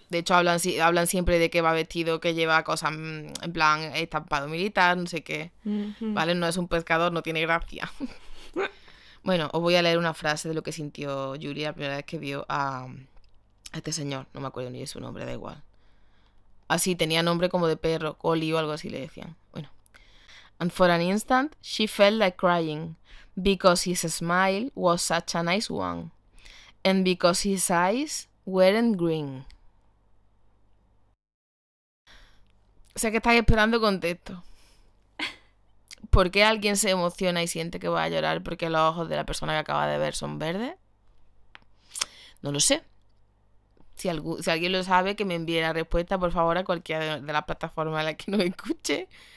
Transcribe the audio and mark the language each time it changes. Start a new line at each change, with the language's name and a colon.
Spanish: De hecho, hablan siempre de que va vestido, que lleva cosas en plan estampado militar, no sé qué, ¿vale? No es un pescador, no tiene gracia. Bueno, os voy a leer una frase de lo que sintió Yuri la primera vez que vio a este señor. No me acuerdo ni de su nombre, da igual. Así, tenía nombre como de perro, Collie o algo así le decían. Bueno.
English: And for an instant, she felt like crying, because his smile was such a nice one, and because his eyes weren't green.
Spanish: O sea, que estáis esperando contexto. ¿Por qué alguien se emociona y siente que va a llorar porque los ojos de la persona que acaba de ver son verdes? No lo sé. Si alguien lo sabe, que me envíe la respuesta, por favor, a cualquiera de las plataformas a las que nos escuche.